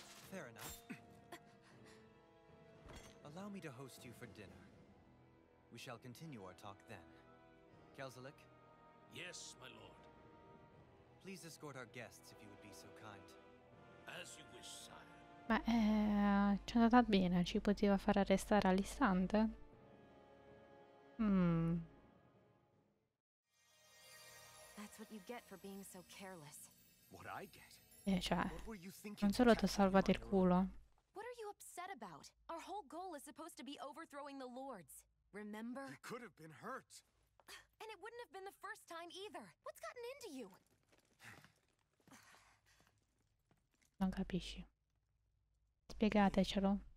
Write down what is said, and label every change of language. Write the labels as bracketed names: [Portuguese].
[English] Fair enough. Allow me to host you for dinner. We shall continue our talk then. Kelzalik? Yes, my lord. Please escort our guests if you would be so kind. As you wish, sire. [Italian] Ma ci è andata bene, ci poteva far arrestare all'istante? [English] That's what you get for being so careless. What I get? [Italian] Cioè, non solo ti ho salvato il culo. [English] What are you upset about? Our whole goal is supposed to be overthrowing the lords. Remember? You could have been hurt. And it wouldn't have been the first time either. What's gotten into you? [Italian] Non capisci. Spiegatecelo.